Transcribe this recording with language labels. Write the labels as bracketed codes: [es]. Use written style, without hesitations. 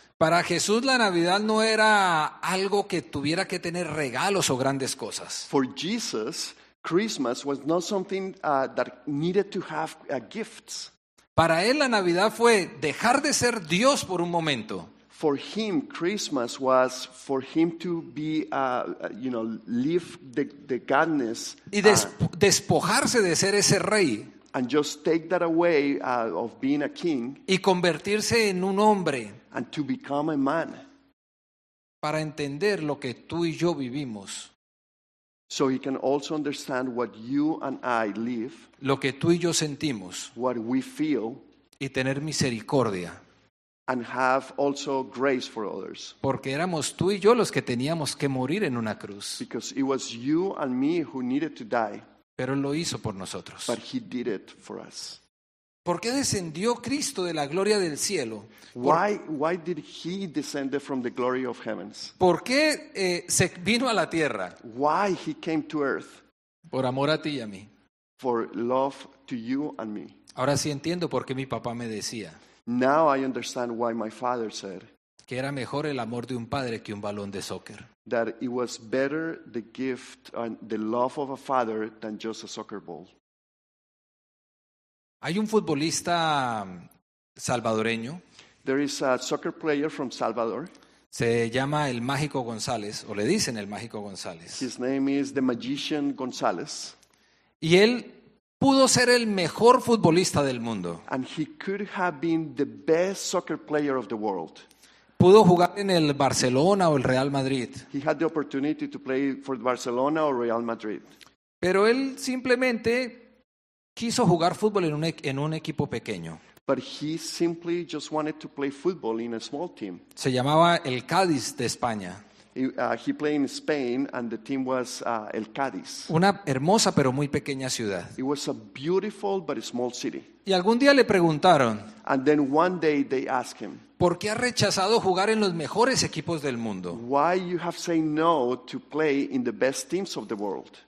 [es] Para Jesús la Navidad no era algo que tuviera que tener regalos o grandes cosas. [en] For Jesus, Christmas was not something that needed to have gifts. [es] Para él la Navidad fue dejar de ser Dios por un momento. [en] For him, Christmas was for him to be, live the godness. [es] Y despojarse de ser ese rey. [en] And just take that away of being a king. [es] Y convertirse en un hombre. [en] And to become a man. [es] Para entender lo que tú y yo vivimos. [en] So he can also understand what you and I live. [es] Lo que tú y yo sentimos. [en] What we feel. [es] Y tener misericordia. [en] And have also grace for others. [es] Porque éramos tú y yo los que teníamos que morir en una cruz. [en] Because it was you and me who needed to die. [es] Pero lo hizo por nosotros. [en] But he did it for us. [es] ¿Por qué descendió Cristo de la gloria del cielo? [en] Why did he descend from the glory of heavens? [es] ¿Por qué se vino a la tierra? [en] Why he came to earth? [es] Por amor a ti y a mí. [en] For love to you and me. [es] Ahora sí entiendo por qué mi papá me decía. [en] Now I understand why my father said [es] que era mejor el amor de un padre que un balón de soccer. [en] That it was better the gift and the love of a father than just a soccer ball. [es] Hay un futbolista salvadoreño. [en] There is a soccer player from Salvador. [es] Se llama el Mágico González, o le dicen el Mágico González. [en] His name is the Magician González. [es] Y él pudo ser el mejor futbolista del mundo. [en] And he could have been the best soccer player of the world. [es] Pudo jugar en el Barcelona o el Real Madrid. [en] He had the opportunity to play for Barcelona or Real Madrid. [es] Pero él simplemente quiso jugar fútbol en un equipo pequeño. [en] But he simply just wanted to play football in a small team. [es] Se llamaba el Cádiz de España. [en] He played in Spain and the team was El Cádiz. [es] Una hermosa pero muy pequeña ciudad. [en] It was a beautiful but small city. [es] Y algún día le preguntaron. [en] And then one day they asked him. [es] ¿Por qué ha rechazado jugar en los mejores equipos del mundo? [en] Why you have said no to play in the best teams of the world?